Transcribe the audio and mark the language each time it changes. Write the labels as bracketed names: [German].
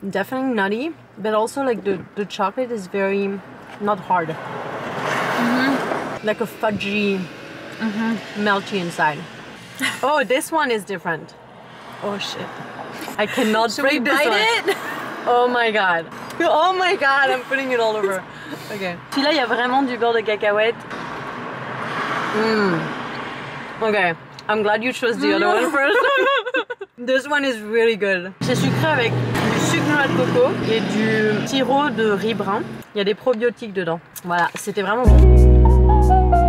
[English] Definitely nutty, but also like the chocolate is very not hard. Mm-hmm. Like a fudgy, melty inside. Oh, this one is different. Oh shit. I cannot Should break this bite one. It? Oh my god. Oh my god, I'm putting it all over. Okay. [French] Puis là, il y a vraiment du beurre de cacahuète. Mmm. [English] Okay, I'm glad you chose the other one first. This one is really good. [French] C'est sucré avec du sucre noix de coco et du sirop de riz brun. Il y a des probiotiques dedans. Voilà, c'était vraiment bon.